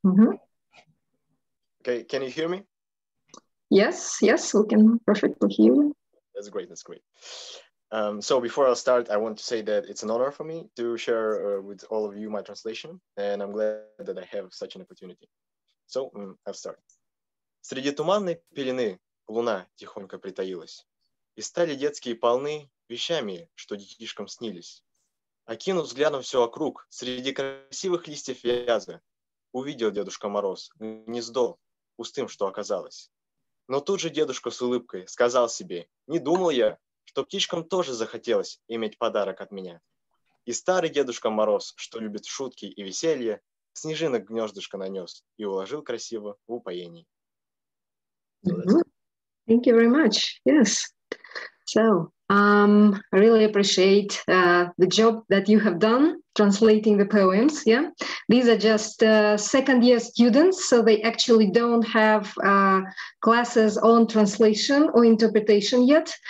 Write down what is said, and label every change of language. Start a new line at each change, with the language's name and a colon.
English: Mm-hmm. Okay, can you hear me? Yes, yes, we can perfectly hear you. That's great, that's great. So before I start, I want to say that it's an honor for me to share with all of you my translation, and I'm glad that I have such an opportunity. So I'll start.
Russian: Среди туманной пелены луна тихонько притаилась, и стали детские полны вещами, что детишкам снились. Окинув взглядом все вокруг, среди красивых листьев вязы, увидел Дедушка Мороз гнездо пустым, что оказалось. Но тут же дедушка с улыбкой сказал себе: «Не думал я, что птичкам тоже захотелось иметь подарок от меня». И старый Дедушка Мороз, что любит шутки и веселье, снежинок гнездышко нанес и уложил красиво в упоении.
English: Mm-hmm. Thank you very much. Yes. So, I really appreciate the job that you have done translating the poems. Yeah. These are just second year students, so they actually don't have classes on translation or interpretation yet.